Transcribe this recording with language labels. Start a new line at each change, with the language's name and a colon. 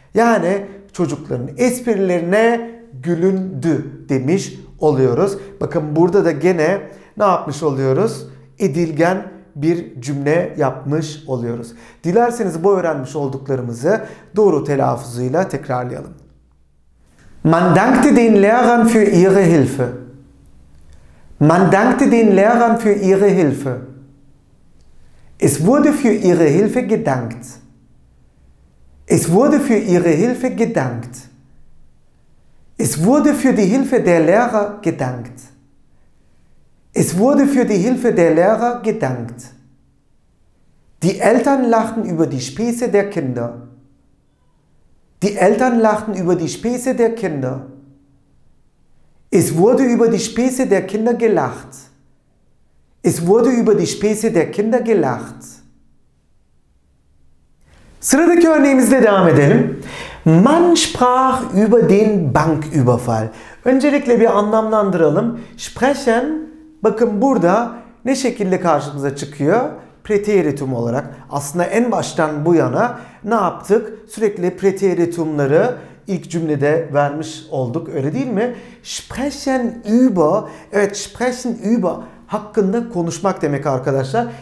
Turkish: Yani çocukların esprilerine gülündü demiş oluyoruz. Bakın burada da gene ne yapmış oluyoruz? Edilgen bir cümle yapmış oluyoruz. Dilerseniz bu öğrenmiş olduklarımızı doğru telaffuzuyla tekrarlayalım.
German: Man dankte den Lehrern für ihre Hilfe. Man dankte den Lehrern für ihre Hilfe. Es wurde für ihre Hilfe gedankt. Es wurde für ihre Hilfe gedankt. Es wurde für die Hilfe der Lehrer gedankt. Es wurde für die Hilfe der Lehrer gedankt. Die Eltern lachten über die Späße der Kinder. Die Eltern lachten über die Späße der Kinder. Es wurde über die Späße der Kinder gelacht. Es wurde über die Späße der Kinder gelacht.
Turkish: Sıradaki örneğimizle devam edelim.
German: Man sprach über den Banküberfall.
Turkish: Öncelikle bir anlamlandıralım. Sprechen, bakın burada ne şekilde karşımıza çıkıyor? Präteritum olarak. Aslında en baştan bu yana ne yaptık? Sürekli präteritumları ilk cümlede vermiş olduk, öyle değil mi? Sprechen über, evet, sprechen über hakkında konuşmak demek arkadaşlar.